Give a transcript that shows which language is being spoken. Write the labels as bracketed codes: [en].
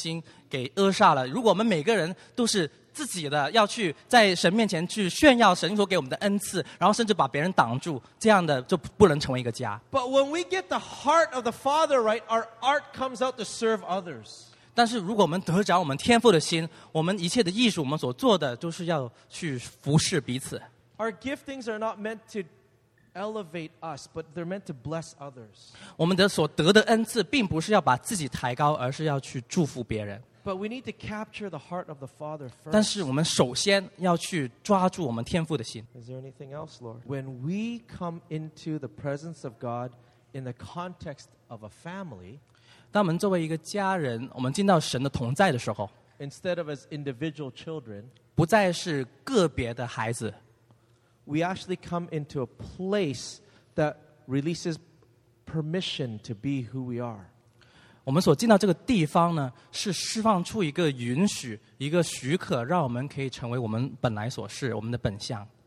[zh] 我们如此做会把我们家庭的那个核心给扼杀了。如果我们每个人都是 自己的要去在神面前去炫耀神所给我们的恩赐，然后甚至把别人挡住，这样的就不能成为一个家。 [en] But when we get the heart of the Father right, our art comes out to serve others. [zh] 但是如果我们得着我们天父的心，我们一切的艺术，我们所做的都是要去服侍彼此。 [en] Our giftings are not meant to elevate us, but they're meant to bless others. [zh] 我们的所得的恩赐，并不是要把自己抬高，而是要去祝福别人。 [en] But we need to capture the heart of the Father first. [zh] 但是我们首先要去抓住我们天父的心。 [en] Is there anything else, Lord? When we come into the presence of God in the context of a family, [zh] 当我们作为一个家人，我们进到神的同在的时候， [en] instead of as individual children, [zh] 不再是个别的孩子， [en] we actually come into a place that releases permission to be who we are. [zh] 我们所进到这个地方呢，是释放出一个允许，一个许可，让我们可以成为我们本来所是，我们的本相。